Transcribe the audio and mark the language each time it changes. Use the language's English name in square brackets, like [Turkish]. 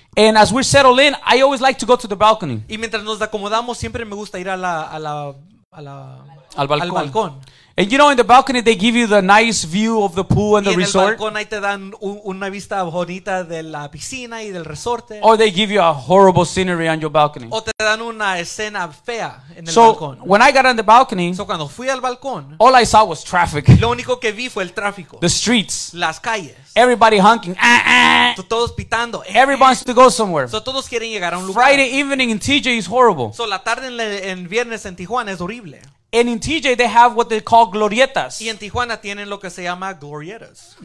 [English] And as we settle in, I always like to go to the balcony. [Spanish] Y mientras nos acomodamos, siempre me gusta ir a la al balcón. Al balcón. [English] And you know, in the balcony, they give you the nice view of the pool and [Spanish] y [English] the resort. [Spanish] En el balcón ahí te dan una vista bonita de la piscina y del resorte. [English] Or they give you a horrible scenery on your balcony. [Spanish] O te dan una escena fea en el [English] so [Spanish] balcón. [English] When I got on the balcony, [Spanish] so cuando fui al balcón, [English] all I saw was traffic. [Spanish] Lo único que vi fue el tráfico. [English] The streets. [Spanish] Las calles. [English] Everybody honking. Ah, ah. [Spanish] Todos pitando. [English] Everybody wants to go somewhere. [Spanish] So todos quieren llegar a un lugar. [English] Friday evening in TJ is horrible. [Spanish] So la tarde en viernes en Tijuana es horrible. [English] And in TJ they have what they call glorietas. [Spanish] Y en Tijuana tienen lo que se llama glorietas.